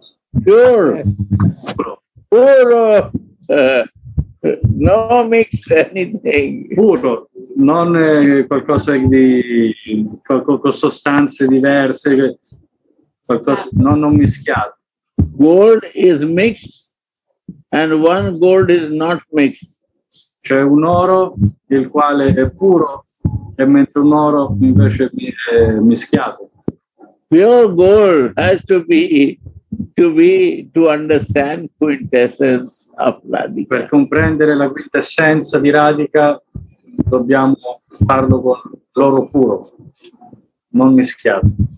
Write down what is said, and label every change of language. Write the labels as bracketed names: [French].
[English] Pure. Puro, no mix anything. [Italian] Puro, non qualcosa di con sostanze diverse, qualcosa non mischiato. [English] Gold is mixed and one gold is not mixed. [Italian] C'è un oro il quale è puro e mentre un oro invece è mischiato. [English] Pure gold has to be. To be to understand quintessence of Radhika. [Italian] Per comprendere la quintessenza di Radhika dobbiamo farlo con l'oro puro, non mischiato.